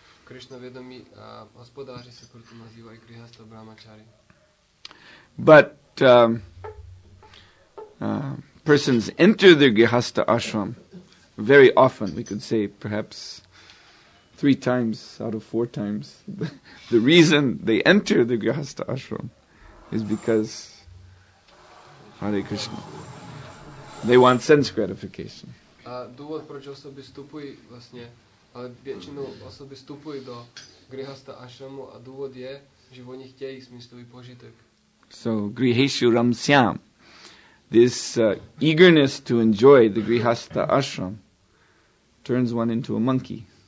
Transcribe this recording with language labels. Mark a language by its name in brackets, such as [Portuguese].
[Czech] Krishna vědomí hospodáři se proto nazývají grihasta brahmachari. [English] But persons enter the grihasta ashram very often, we could say perhaps three times out of four times. The reason they enter the grihasta ashram is because Hare Krishna. They want sense gratification. [Czech] A důvod, proč osoby vstupují vlastně, ale většinou osoby vstupují do grihasta ashramu, a důvod je, že oni chtějí smyslový požitek. [English] So griheshu ramsyam, this eagerness to enjoy the grihasta ashram turns one into a monkey.